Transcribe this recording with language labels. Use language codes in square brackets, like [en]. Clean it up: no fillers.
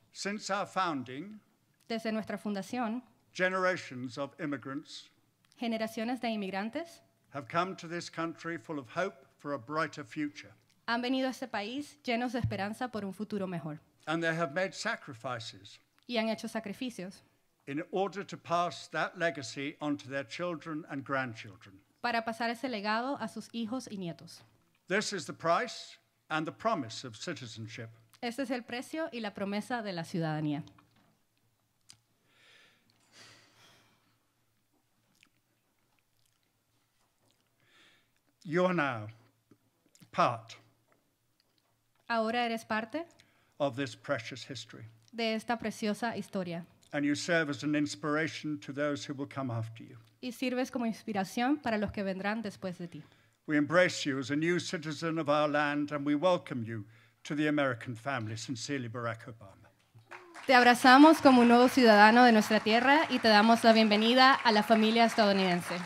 [en] Since our founding. [es] Desde nuestra fundación. [en] Generations of immigrants. [es] Generaciones de inmigrantes. [en] Have come to this country full of hope for a brighter future. [es] Han venido a este país llenos de esperanza por un futuro mejor. [en] And they have made sacrifices. [es] Y han hecho sacrificios. [en] In order to pass that legacy onto their children and grandchildren. [es] Para pasar ese legado a sus hijos y nietos. [en] This is the price and the promise of citizenship. [es] Este es el precio y la promesa de la ciudadanía. [en] You are now part. [es] Ahora eres parte. [en] Of this precious history. [es] De esta preciosa historia. [en] And you serve as an inspiration to those who will come after you. [es] Y sirves como inspiración para los que vendrán después de ti. [en] We embrace you as a new citizen of our land, and we welcome you to the American family. Sincerely, Barack Obama. [es] Te abrazamos como un nuevo ciudadano de nuestra tierra y te damos la bienvenida a la familia estadounidense.